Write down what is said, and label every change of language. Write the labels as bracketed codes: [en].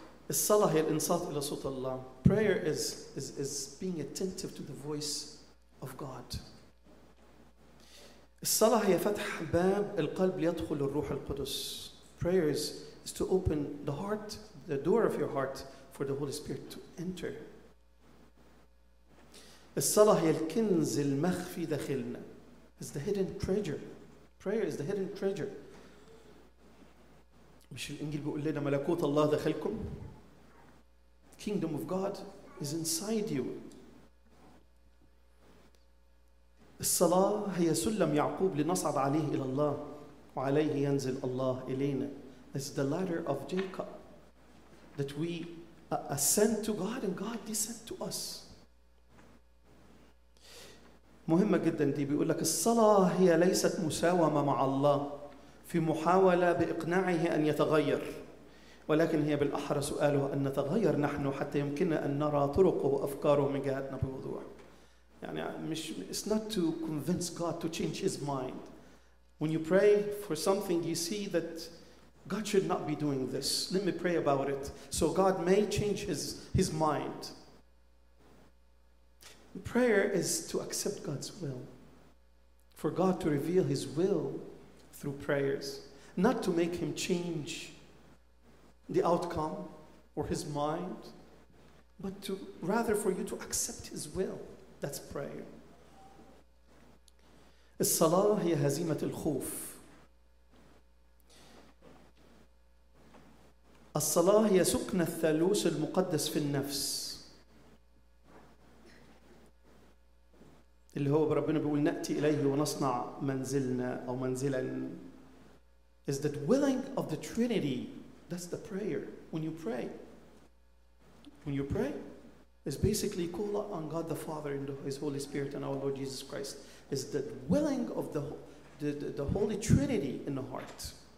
[ar] الصلاة هي الإنصات إلى صوت الله. [en] Prayer is being attentive to the voice of God. [ar] الصلاة هي فتح باب القلب ليدخل الروح القدس. [en] Prayer is to open the heart, the door of your heart, for the Holy Spirit to enter. [ar] الصلاة هي الكنز المخفي داخلنا. [en] It's the hidden treasure. Prayer is the hidden treasure. [ar] مش الإنجيل بيقول لنا ملكوت الله داخلكم؟ [en] Kingdom of God is inside you. [ar] الصلاة هي سلم يعقوب لنصعد عليه إلى الله وعليه ينزل الله إلينا. [en] It's the ladder of Jacob that we ascend to God and God descend to us. [ar] مهمة جدا دي. بيقول لك الصلاة هي ليست مساومة مع الله في محاولة بإقناعه أن يتغير، ولكن هي بالأحرى سؤاله أن نتغير نحن حتى يمكننا أن نرى طرقه وأفكاره من جهتنا بوضوح. يعني مش [en] it's not to convince God to change His mind. When you pray for something, you see that God should not be doing this. Let me pray about it so God may change His mind. Prayer is to accept God's will, for God to reveal His will through prayers, not to make Him change the outcome or His mind, but to rather for you to accept His will. That's prayer. [ar] الصلاة هي هزيمة الخوف. الصلاة هي سكن الثالوث المقدس في النفس. اللي هو ربنا بيقول نأتي إليه ونصنع منزلنا أو منزلا. [en] Is the dwelling of the Trinity. That's the prayer. When you pray. is basically call on God the Father and His Holy Spirit and our Lord Jesus Christ. Is the dwelling of the Holy Trinity in the heart.